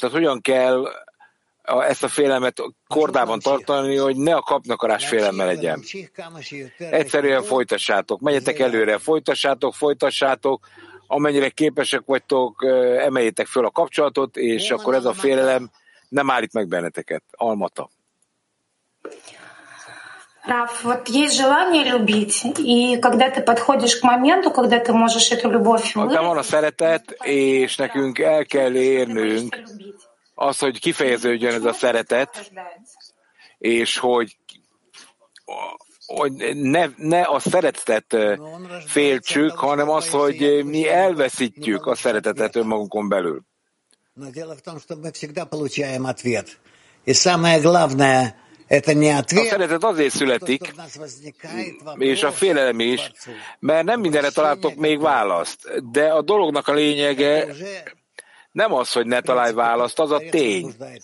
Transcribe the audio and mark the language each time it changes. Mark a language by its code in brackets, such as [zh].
[hu] Tehát hogyan kell ezt a félelmet kordában tartani, hogy ne a kapnakarás félelme legyen. Egyszerűen folytassátok, menjetek előre, folytassátok, amennyire képesek vagytok, emeljétek föl a kapcsolatot, és akkor ez a félelem nem állít meg benneteket. Almata. [ru] Раф, вот есть желание любить, и когда ты подходишь к моменту, когда ты можешь эту любовь вылить... Там он [hu] szeretet, és nekünk el kell érnünk az, hogy kifejeződjön ez a szeretet, és hogy, hogy ne a szeretetet féltsük, hanem az, hogy mi elveszítjük a szeretetet önmagunkon belül. [ru] Но дело в том, что мы всегда получаем ответ. И самое главное, это не ответ. [hu] A szeretet azért születik, és a félelem is, mert nem mindenre találtok még választ. De a dolognak a lényege nem az, hogy ne találj választ, az a tény.